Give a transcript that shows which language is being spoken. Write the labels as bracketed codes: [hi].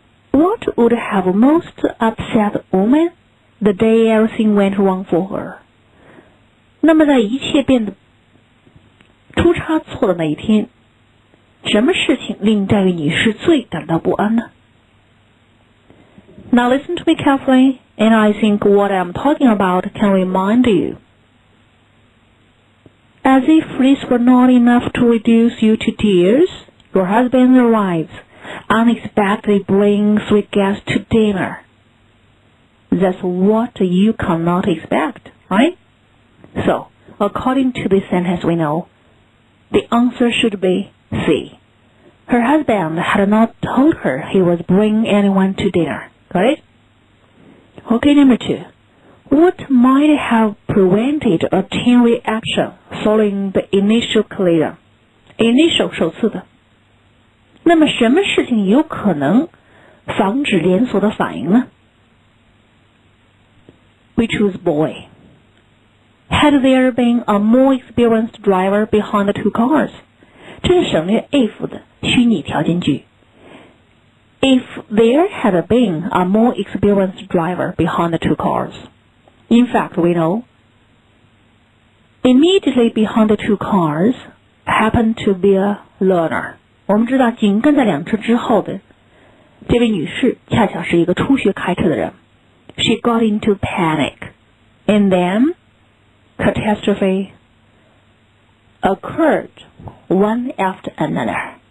[en] What would have most upset a woman the day everything went wrong for her? [zh] 那么在一切变得出差错的那一天，什么事情令戴维女士最感到不安呢？ [en] Now listen to me carefully, and I think what I'm talking about can remind you. As if this were not enough to reduce you to tears, your husband arrives, unexpectedly brings three guests to dinner. That's what you cannot expect, right? So, according to this sentence we know, the answer should be C. Her husband had not told her he was bringing anyone to dinner. Got it? Okay, number 2. What might have prevented a chain reaction following the initial collision? Initial, 首次的。 [zh] 那么什么事情有可能防止连锁的反应呢？ [en] We choose boy. Had there been a more experienced driver behind the two cars? [zh] 这是省略 if 的虚拟条件句。 [en] If there had been a more experienced driver behind the two cars. In fact, we know. Immediately behind the two cars happened to be a learner. [zh] 我们知道紧跟在两车之后的这位女士恰巧是一个初学开车的人。 [en] She got into panic. And then, catastrophe occurred one after another.